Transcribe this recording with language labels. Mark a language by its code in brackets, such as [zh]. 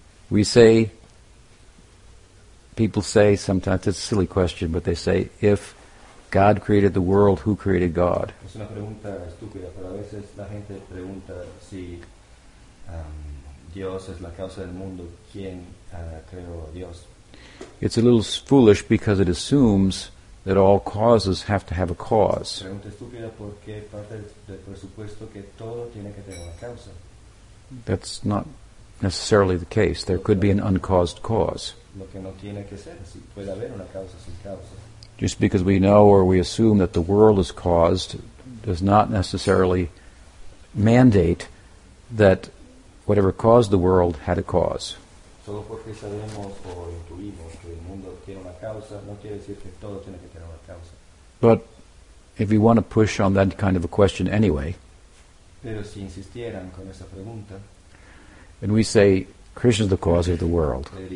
[en] We say, people say sometimes, it's a silly question, but they say, if God created the world, who created God? [es] Es una pregunta estúpida, pero a veces la gente pregunta si Dios es la causa del mundo, ¿quién creó a Dios? [en] It's a little foolish because it assumes that all causes have to have a cause. [es] Pregunta estúpida porque parte del presupuesto que todo tiene que tener una causa. [en] That's not necessarily the case. There could be an uncaused cause. [es] Lo que no tiene que ser, si puede haber una causa sin causa. [en] Just because we know or we assume that the world is caused does not necessarily mandate that whatever caused the world had a cause. [es] Solo porque sabemos o intuimos que el mundo tiene una causa, no quiere decir que todo tiene que tener una causa. [en] But if you want to push on that kind of a question anyway, [es] pero si insistieran con esa pregunta, [en] and we say, Krishna is the cause of the world.